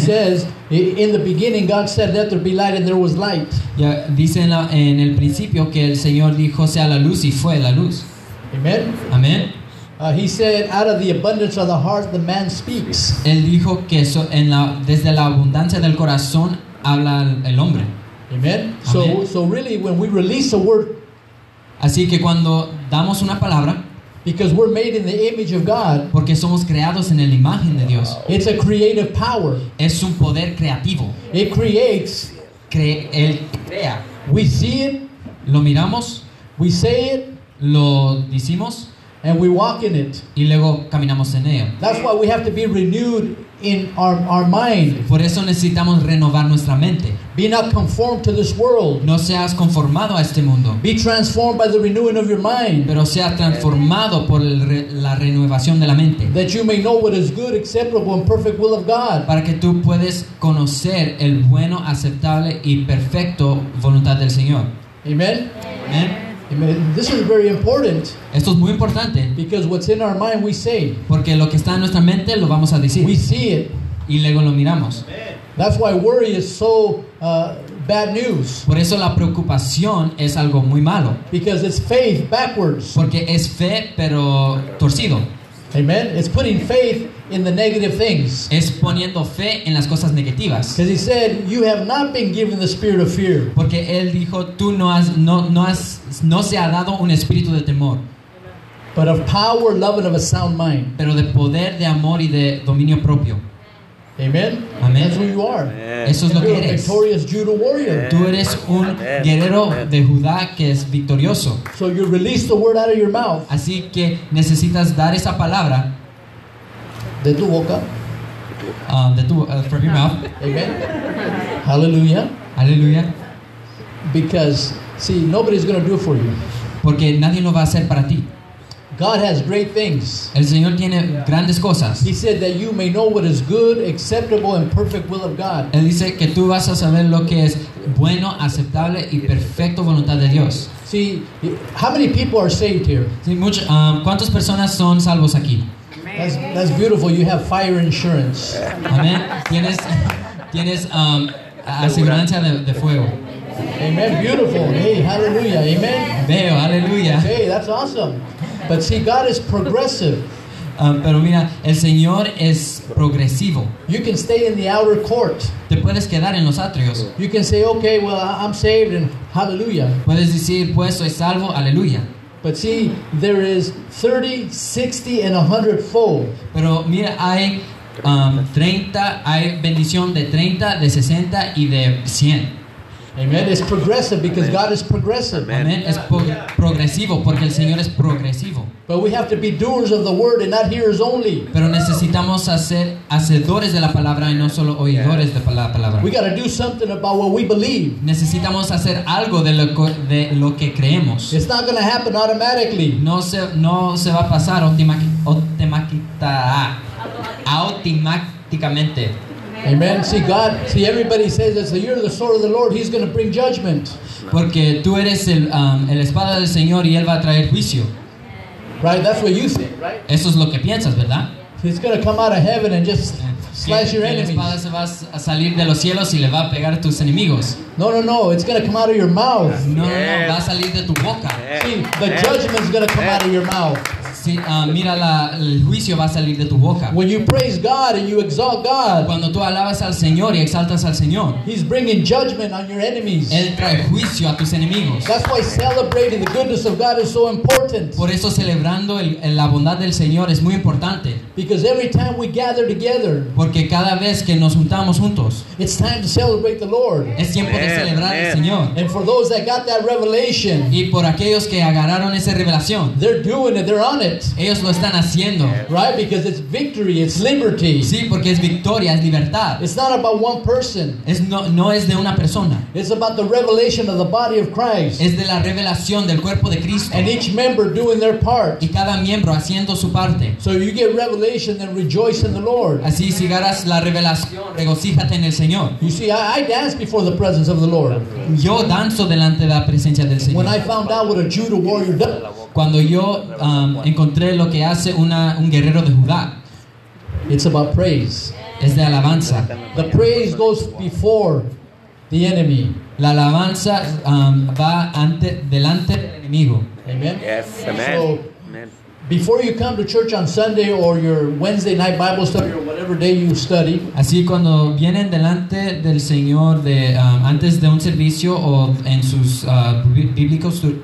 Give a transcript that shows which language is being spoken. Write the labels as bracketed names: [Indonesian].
[English] Says, in the beginning, God said, "Let there be light," and there was light. Yeah, [Spanish] dice en el principio que el Señor dijo sea la luz y fue la luz. [English] Amen. [Spanish] Amen. [English] He said, "Out of the abundance of the heart, the man speaks." [Spanish] Él dijo que desde la abundancia del corazón habla el hombre. [English] Amen. Amen. So really, when we release a word, [Spanish] así que cuando damos una palabra. [English] Because we're made in the image of God. [Spanish] Porque somos creados en la imagen de Dios. [English] It's a creative power. [Spanish] Es un poder creativo. [English] It creates. [Spanish] Crea. [English] We see it. [Spanish] lo miramos, [English] we say it, [Spanish] lo decimos, [English] and we walk in it. [Spanish] Y luego caminamos en ello. [English] That's why we have to be renewed in our mind. [Spanish] Por eso necesitamos renovar nuestra mente. [English] Be not conformed to this world. [Spanish] No seas conformado a este mundo. [English] Be transformed by the renewing of your mind. [Spanish] Pero sea transformado por la renovación de la mente. [English] That you may know what is good, acceptable, and perfect will of God. [Spanish] Para que tú puedas conocer el bueno, aceptable y perfecto voluntad del Señor. [English] Amen. [Spanish] Amen. [English] Amen. This is very important. [Spanish] Esto es muy importante. [English] Because what's in our mind, we say. [Spanish] Porque lo que está en nuestra mente lo vamos a decir. [English] We see it. [Spanish] Y luego lo miramos. [English] Amen. That's why worry is so bad news. [Spanish] Por eso la preocupación es algo muy malo. [English] Because it's faith backwards. [Spanish] Porque es fe pero torcido. [English] Amen. It's putting faith in the negative things. [Spanish] Es poniendo fe en las cosas negativas. [English] Because he said, "You have not been given the spirit of fear." [Spanish] Porque él dijo, tú no se ha dado un espíritu de temor. [English] But of power, love, and of a sound mind. [Spanish] Pero de poder, de amor y de dominio propio. [English] Amen. [Spanish] Amen. [English] That's who you are. [Spanish] Amen. Eso es lo que eres. [English] You're a victorious Judah warrior. [Spanish] Tú eres un Amen. Guerrero Amen. De Judá que es victorioso. [English] So you release the word out of your mouth. [Spanish] Así que necesitas dar esa palabra. De tu boca. [English] From your mouth. Amen. Hallelujah. [Spanish] Hallelujah. [English] Because, see, nobody's going to do it for you. [Spanish] Porque nadie lo va a hacer para ti. [English] God has great things. [Spanish] El Señor tiene [English] yeah. [Spanish] grandes cosas. [English] He said that you may know what is good, acceptable, and perfect will of God. [Spanish] Él dice que tú vas a saber lo que es bueno, aceptable y perfecto voluntad de Dios. [English] See, how many people are saved here? [Spanish] Sí, ¿cuántas personas son salvos aquí? [English] That's beautiful. You have fire insurance. [Spanish] Amen. Tienes aseguranza de fuego. [English] Amen. Beautiful. Hey, hallelujah. Amen. [Spanish] Veo, hallelujah. [English] Hey, that's awesome. But see, God is progressive. [Spanish] Pero mira, el Señor es progresivo. [English] You can stay in the outer court. [Spanish] Te puedes quedar en los atrios. [English] You can say, okay, well, I'm saved, and hallelujah. [Spanish] Puedes decir, pues, soy salvo, aleluya. [English] But see, there is 30, 60, and 100 fold. [Spanish] Pero mira, hay 30, hay bendición de 30, de 60, y de 100. [English] Amen. It's progressive because Amen. God is progressive. [Spanish] Amen. Es progresivo porque el Señor es progresivo. [English] But we have to be doers of the word and not hearers only. [Spanish] Pero necesitamos ser hacedores de la palabra y no solo oidores de la palabra. [English] We got to do something about what we believe. [Spanish] Necesitamos hacer algo de lo que creemos. [English] It's not going to happen automatically. [Spanish] No se va a pasar automáticamente. [English] Amen. See, God, see, everybody says that, so you're the sword of the Lord, he's going to bring judgment. [Spanish] Porque tú eres el espada del Señor y él va a traer juicio. [English] Right, that's what you say, right? [Spanish] Eso es lo que piensas, ¿verdad? [English] He's going to come out of heaven and just slash your enemies. [Spanish] La espada se va a salir de los cielos y le va a pegar a tus enemigos. [English] No, it's going to come out of your mouth. [Spanish] No, va a salir de tu boca. [English] See, the judgment is going to come out of your mouth. [Spanish] Mira, el juicio va a salir de tu boca. [English] When you praise God and you exalt God, [Spanish] cuando tú alabas al Señor y exaltas al Señor, [English] he's bringing judgment on your enemies. [Spanish] Él trae juicio a tus enemigos. [English] That's why celebrating the goodness of God is so important. [Spanish] Por eso celebrando la bondad del Señor es muy importante. [English] Because every time we gather together, [Spanish] porque cada vez que nos juntamos juntos, [English] it's time to celebrate the Lord. [Spanish] Es tiempo de celebrar al Señor. [English] And for those that got that revelation, [Spanish] y por aquellos que agarraron esa revelación, [English] they're doing it, they're on it. [Spanish] Ellos lo están haciendo. [English] Right, because it's victory, it's liberty. [Spanish] Sí, porque es victoria, es libertad. [English] It's not about one person. [Spanish] No es de una persona. [English] It's about the revelation of the body of Christ. [Spanish] Es de la revelación del cuerpo de Cristo. [English] And each member doing their part. [Spanish] Y cada miembro haciendo su parte. [English] So you get revelation, then rejoice in the Lord. [Spanish] Así si agarras la revelación, regocíjate en el Señor. [English] You see, I dance before the presence of the Lord. [Spanish] Yo danzo delante de la presencia del Señor. [English] When I found out what a Judah warrior does. [Spanish] Cuando yo encontré lo que hace un guerrero de Judá. [English] It's about praise. [Spanish] Es de alabanza. [English] The praise goes before the enemy. [Spanish] La alabanza va delante del enemigo. [English] Amen. [Spanish] Yes. Amen. [English] So, [Spanish] amen. [English] Before you come to church on Sunday or your Wednesday night Bible study or whatever day you study. [Spanish] Así cuando vienen delante del Señor antes de un servicio o en sus bíblicos.